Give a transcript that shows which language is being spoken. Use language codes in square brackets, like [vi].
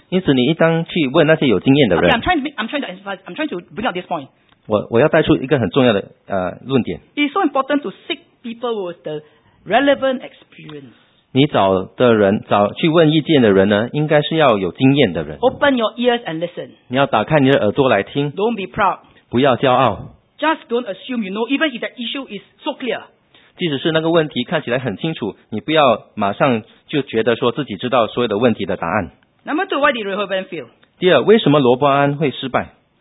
[zh] 因此你一旦去问那些有经验的人 [en] I'm trying to bring out this point [zh] 我要带出一个很重要的论点 [en] It's so important to seek people with the relevant experience [zh] 你找的人找去问意见的人呢应该是要有经验的人 [en] Open your ears and listen [zh] 你要打开你的耳朵来听 [en] Don't be proud [zh] 不要骄傲 [en] Just don't assume you know even if that issue is so clear [zh] 即使是那个问题看起来很清楚，你不要马上就觉得说自己知道所有的问题的答案。 [en] Number two, why did Rehoboam fail? [zh] 第二，为什么罗伯安会失败